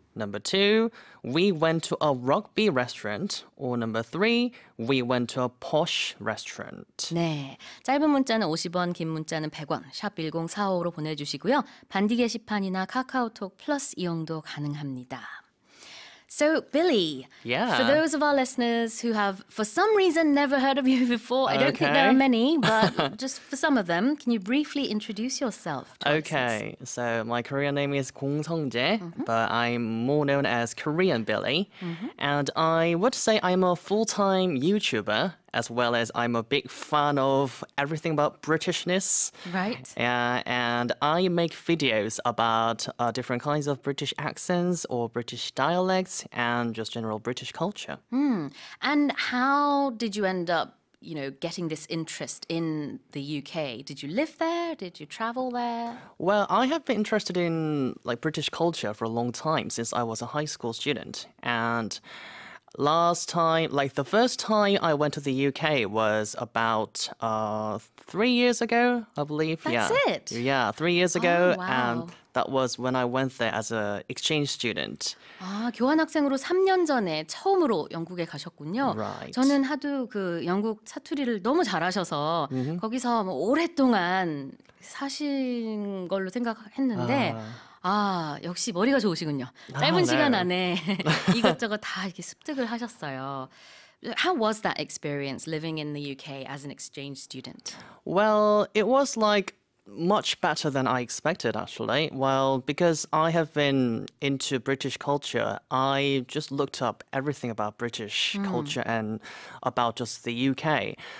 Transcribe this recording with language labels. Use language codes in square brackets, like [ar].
[en] Number two, we went to a rugby restaurant. Or number three, we went to a posh restaurant. [ko] 네, 짧은 문자는 50원, 긴 문자는 100원, 샵 1045로 보내주시고요. 반디 게시판이나 카카오톡 플러스 이용도 가능합니다. [en] So, Billy, yeah. For those of our listeners who have, for some reason, never heard of you before, I don't think there are many, but just for some of them, can you briefly introduce yourself to us? Okay, so my Korean name is 공성재, but I'm more known as Korean Billy, and I would say I'm a full-time YouTuber, as well as I'm a big fan of everything about Britishness. Right. And I make videos about different kinds of British accents or British dialects and just general British culture. And how did you end up, you know, getting this interest in the UK? Did you live there? Did you travel there? Well, I have been interested in like British culture for a long time, since I was a high school student. And last time, like the first time I went to the UK was about 3 years ago, I believe. That's it? Yeah, 3 years ago. Oh, wow. And that was when I went there as an exchange student. [ko] 아, 교환학생으로 3년 전에 처음으로 영국에 가셨군요. [en] Right. [ko] 저는 하도 그 영국 사투리를 너무 잘하셔서 거기서 뭐 오랫동안 사신 걸로 생각했는데 아, 역시 머리가 좋으시군요. 짧은 시간 안에 이것저것 다 이렇게 습득을 하셨어요. [en] How was that experience living in the UK as an exchange student? Well, it was like much better than I expected, actually. Well, because I have been into British culture, I just looked up everything about British culture and about just the UK.